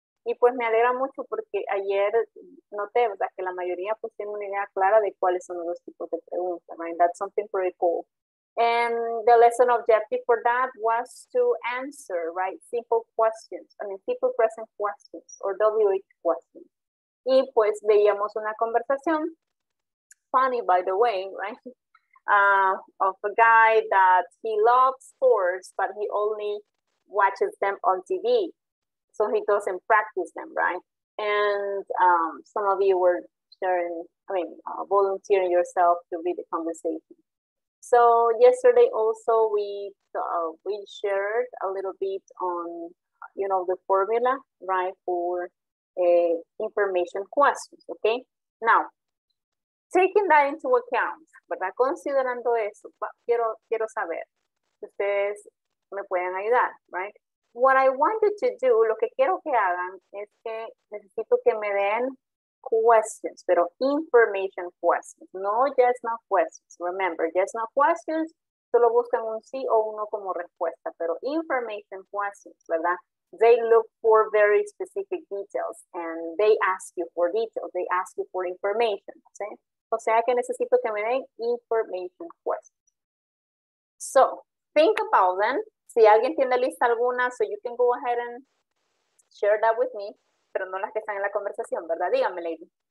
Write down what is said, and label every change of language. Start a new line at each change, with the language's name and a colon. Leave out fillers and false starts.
Spanish: Y pues me alegra mucho porque ayer noté, ¿verdad? Que la mayoría pues tiene una idea clara de cuáles son los tipos de preguntas, right?
English: That's something pretty cool. And the lesson objective for that was to answer, right? Simple questions, I mean, simple present questions or WH questions. Y pues veíamos una conversación, funny by the way, right? Of a guy that he loves sports, but he only watches them on TV. So he doesn't practice them, right? And some of you were sharing, I mean, volunteering yourself to read the conversation. So yesterday also we shared a little bit on, you know, the formula, right, for information questions, okay? Now, taking that into account, ¿verdad?
Spanish: Considerando eso, quiero saber si ustedes me pueden ayudar, right?
English: What I want you to do,
Spanish: lo que quiero que hagan, es que necesito que me den questions, pero information questions, no
English: yes, no questions. Remember, yes, no questions,
Spanish: solo buscan un sí o uno como respuesta, pero information questions, ¿verdad?
English: They look for very specific details, and they ask you for details, they ask you for information, ¿sí?
Spanish: O sea que necesito que me den information questions.
English: So, think about them.
Spanish: Si alguien tiene lista alguna,
English: so you can go ahead and share that with me,
Spanish: pero no las que están en la conversación, ¿verdad? Dígame, lady.